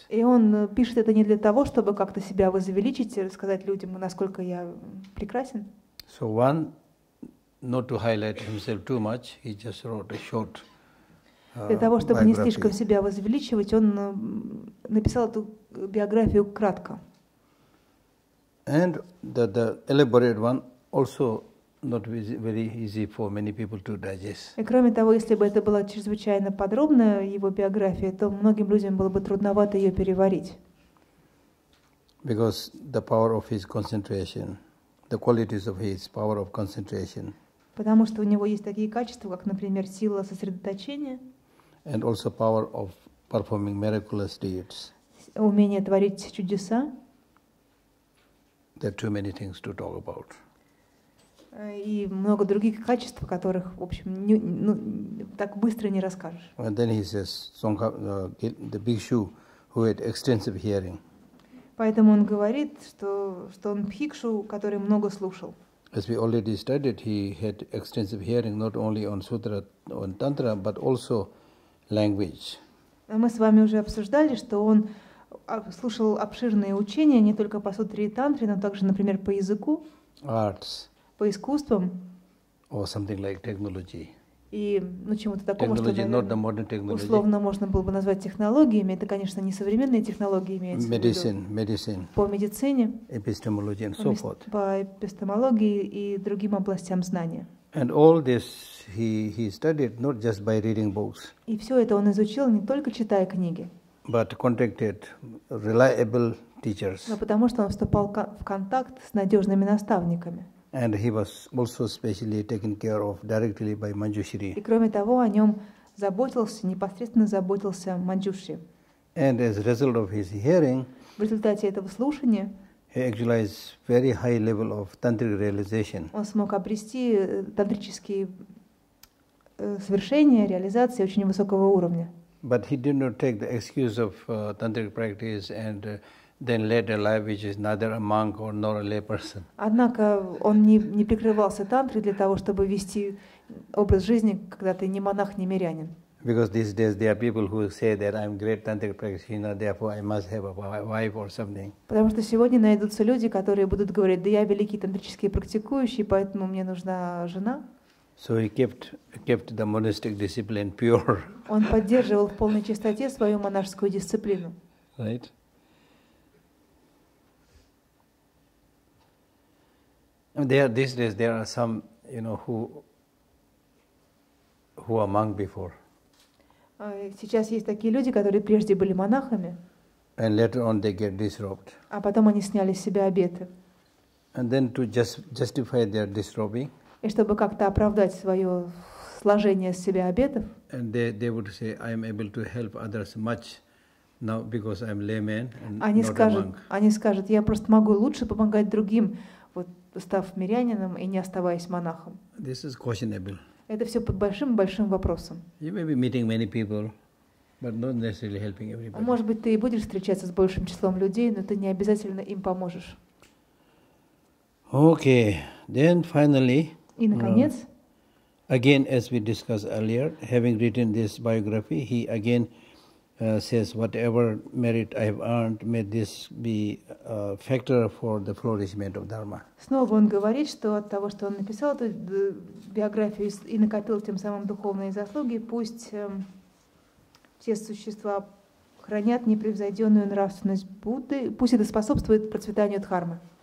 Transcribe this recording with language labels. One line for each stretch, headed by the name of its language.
Russian: И он пишет это не для того, чтобы как-то себя возвеличить и рассказать людям, насколько я прекрасен.
English: So one, not to highlight himself too much, he just wrote a short.
Russian: Для того, чтобы не слишком себя возвеличивать, он написал эту биографию кратко.
English: And the elaborate one also not very easy for many people to digest.
Russian: И кроме того, если бы это была чрезвычайно подробная его биография, то многим людям было бы трудновато ее переварить.
English: Because the power of his concentration, the qualities of his power of concentration.
Russian: Потому что у него есть такие качества, как, например, сила сосредоточения.
English: And also power of performing miraculous deeds.
Russian: Умение творить чудеса.
English: There are too many things to talk about.
Russian: И много других качеств, которых, в общем, так быстро не расскажешь.
English: And then he says, the bhikshu who had extensive hearing.
Russian: Поэтому он говорит, что он бхикшу, который много слушал.
English: As we already studied, he had extensive hearing not only on sutra and tantra, but also language.
Russian: Мы с вами уже обсуждали, что он слушал обширные учения не только по сутре и тантре, но также, например, по языку,
English: arts,
Russian: по искусствам,
English: or something like technology.
Russian: И чему-то такому, что условно можно было бы назвать технологиями. Это, конечно, не современные технологии, имеется
English: medicine,
Russian: в виду.
English: Medicine,
Russian: по медицине,
English: epistemology and so forth.
Russian: По эпистемологии и другим областям знания.
English: And all this he studied not just by reading books.
Russian: И все это он изучил не только читая книги.
English: But contacted reliable teachers.
Russian: Но потому что он вступал в контакт с надежными наставниками.
English: And he was also specially taken care of directly by Manjushri.
Russian: И кроме того, о нем непосредственно заботился Манджуши.
English: And as a result of his hearing,
Russian: в результате этого слушания,
English: he actualized very high level of tantric realization.
Russian: Он смог обрести тантрические свершения, реализации очень высокого уровня.
English: But he did not take the excuse of tantric practice and then led a life which is neither a monk or nor a lay person.
Russian: Однако он не прикрывался тантрой для того, чтобы вести образ жизни, когда ты не монах, не мирянин.
English: Because these days there are people who say that I'm great tantric practitioner, therefore I must have a wife or something.
Russian: Потому что сегодня найдутся люди, которые будут говорить: да, я великий тантрический практикующий, поэтому мне нужна жена.
English: So he kept the monastic discipline pure.
Russian: Он поддерживал в полной чистоте свою монашескую дисциплину.
English: Right. These days there are some, you know, who are monk before.
Russian: Сейчас есть такие люди, которые прежде были монахами.
English: And later on they get disrobed.
Russian: А потом они сняли с себя обеты.
English: And then to justify their disrobing.
Russian: И чтобы как-то оправдать свое сложение с себя обетов.
English: And they would say, I am able to help others much now because I'm layman and not a monk.
Russian: Они скажут, я просто могу лучше помогать другим, вот став мирянином и не оставаясь монахом.
English: This is questionable.
Russian: Это все под большим-большим вопросом.
English: You may be meeting many people, but not necessarily helping everybody.
Russian: Может быть, ты и будешь встречаться с большим числом людей, но ты не обязательно им поможешь.
English: Okay. Then finally,
Russian: и наконец,
English: again, as we discussed earlier, having written this biography, he again says, whatever merit I have earned, may this be a factor for the flourishment of Dharma.
Russian: Снова он говорит, что от того, что он написал эту биографию и накопил тем самым духовные заслуги, пусть все существа хранят непревзойденную нравственность Будды, пусть это способствует процветанию Дхармы.